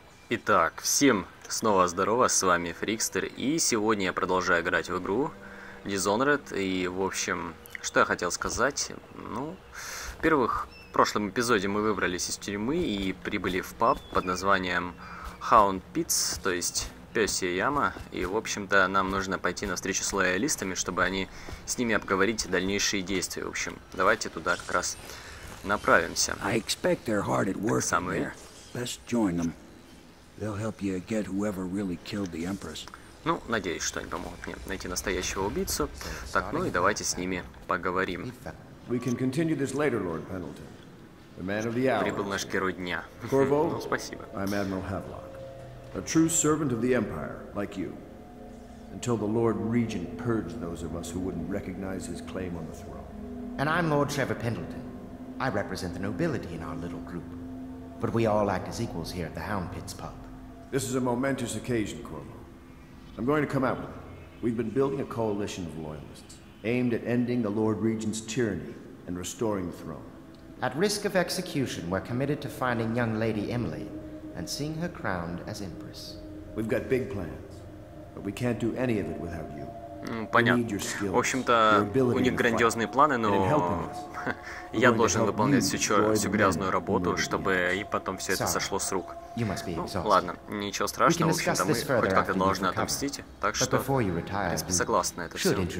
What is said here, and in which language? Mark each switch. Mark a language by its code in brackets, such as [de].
[ru] Итак, всем снова здорово, с вами Фрикстер, и сегодня я продолжаю играть в игру Dishonored, и, в общем, что я хотел сказать, ну, во-первых, в прошлом эпизоде мы выбрались из тюрьмы и прибыли в паб под названием Hound Pits, то есть Пёсья Яма, и, в общем-то, нам нужно пойти навстречу с лоялистами, чтобы они с ними обговорить дальнейшие действия, в общем, давайте туда как раз направимся. [en] I expect they're hard at work there. Best join them. They'll help you get whoever really killed the Empress. [ru] Ну, надеюсь, что они помогут мне найти настоящего убийцу. Так, ну и давайте с ними поговорим. [en] We can continue this later, Lord Pendleton. The man of the hour. [ru] Прибыл наш герой дня. [en] Corvo, [ru] ну, спасибо. [en] I'm Admiral Havelock, a true servant of the Empire, like you. Until the Lord Regent purged those of us who wouldn't recognize his claim on the throne. And I'm Lord Trevor Pendleton. I represent the nobility in our little group. But we all act as equals here at the Hound Pits pub. This is a momentous occasion, Corvo. I'm going to come out with it. We've been building a coalition of loyalists, aimed at ending the Lord Regent's tyranny and restoring the throne. At risk of execution, we're committed to finding young Lady Emily and seeing her crowned as Empress. We've got big plans, but we can't do any of it without you. [ru] Понятно. В общем-то, у них грандиозные планы, но я должен выполнять всю грязную работу, чтобы и потом все это сошло с рук. Ну, ладно, ничего страшного, в общем-то, мы хоть как-то должны отомстить, так что, в принципе, согласен на это все.